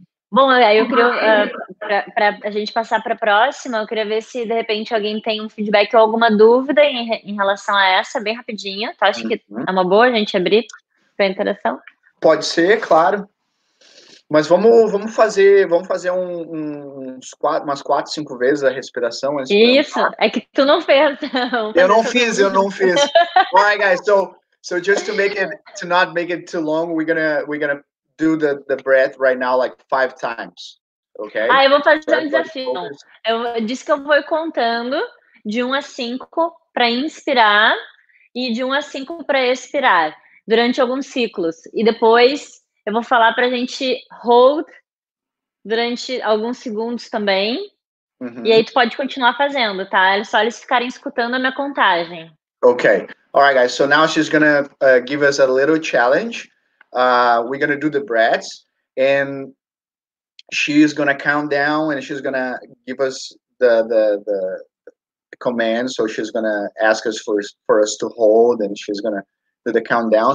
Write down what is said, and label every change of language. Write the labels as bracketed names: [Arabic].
[Portuguese] Bom, aí eu queria, para a gente passar para a próxima, eu queria ver se, de repente, alguém tem um feedback ou alguma dúvida em relação a essa, bem rapidinho, tá? Acho que é uma boa a gente abrir para interação. Pode ser, claro. Mas vamos fazer umas quatro, cinco vezes a respiração. Isso, é que tu não fez. Eu não fiz. [English] All right, guys, so just to not make it too long, we're gonna do the breath right now, like, five times, okay? [Portuguese] Ah, eu vou fazer um desafio. Eu disse que eu vou contando de 1 a 5 para inspirar e de 1 a 5 para expirar durante alguns ciclos. E depois eu vou falar para a gente hold durante alguns segundos também. Uhum. E aí tu pode continuar fazendo, tá? É só eles ficarem escutando a minha contagem. [English] Okay. All right, guys. So now she's going to give us a little challenge. We're going to do the breaths, and she's going to count down, and she's going to give us the command. So she's going to ask us for us to hold, and she's going to do the countdown.